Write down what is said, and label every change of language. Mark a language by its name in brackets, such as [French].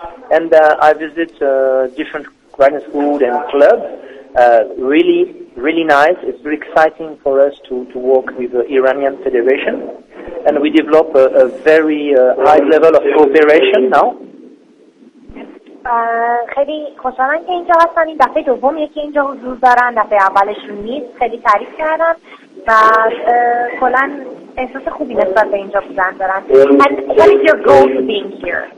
[English] And I visit different riding schools and clubs. Really, really nice. It's very exciting for us to work with the Iranian Federation, and we develop a very high level of cooperation now. [Persian] خیلی خوشحالم که اینجا هستن. این دفعه دوم یکی اینجا حضور دارن، دفعه اولشون نیست. خیلی تعریف کردن و کلن احساس خوبی نسبت به اینجا بودن دارن. [English] And what is your goal to being here?